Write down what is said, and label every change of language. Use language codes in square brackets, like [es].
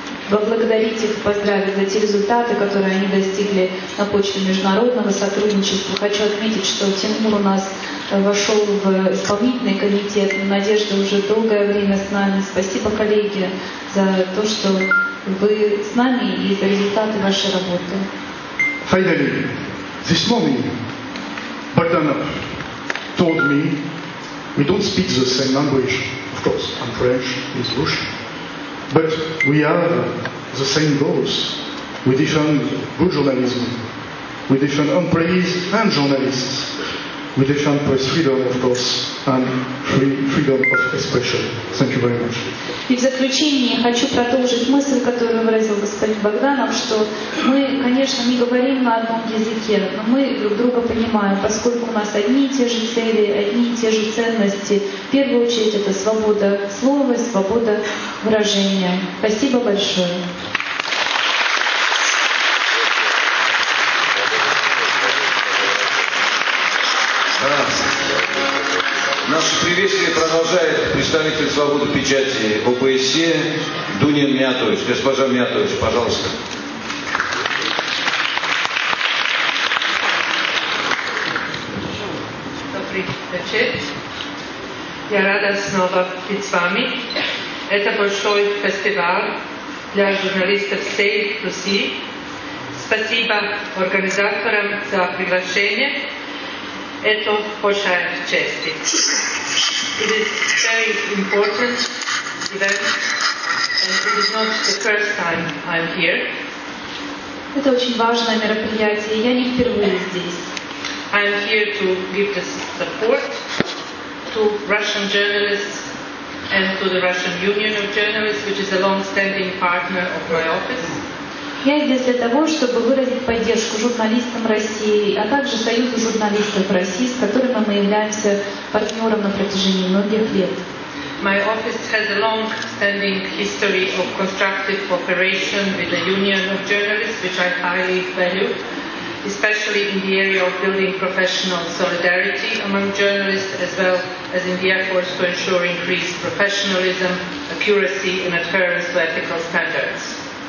[ru] поблагодарить их, поздравить за те результаты, которые они достигли на почве международного сотрудничества. Хочу отметить, что Тимур у нас вошел в исполнительный комитет. Надежда уже долгое время с нами. Спасибо, коллеги, за то, что вы с нами и за результаты вашей работы. [en] Finally, this morning, Bogdanov told me, we don't speak the same language, of course, I'm French, he's Russian, but we have the same goals. We defend good journalism, we defend employees and journalists, we defend press freedom, of course, and freedom of expression. Thank you very much. [ru] И в заключение хочу продолжить мысль, которую выразил господин Богданов, что мы, конечно, не говорим на одном языке, но мы друг друга понимаем, поскольку у нас одни и те же цели, одни и те же ценности. В первую очередь это свобода слова и свобода выражения. Спасибо большое. Наше приветствие продолжает представитель свободы печати ОБСЕ Дунин Мятович. Госпожа Мятович, пожалуйста. Добрый вечер. Я рада снова быть с вами. Это большой фестиваль для журналистов всей России. Спасибо организаторам за приглашение. Это большая честь. [en] It is very important event, and it is not the first time I'm here. [ru] Это очень важное мероприятие. Я не впервые здесь. [en] I'm here to give the support to Russian journalists and to the Russian Union of Journalists, which is a long-standing partner of my office. [ru] Я здесь для того, чтобы выразить поддержку журналистам России, а также Союзу журналистов России, с которыми мы являемся партнером на протяжении многих лет. [en] My office has a long-standing history of constructive cooperation with the Union of Journalists, which I highly value, especially in the area of building professional solidarity among journalists, as well as in the efforts to ensure increased professionalism, accuracy and adherence to ethical standards.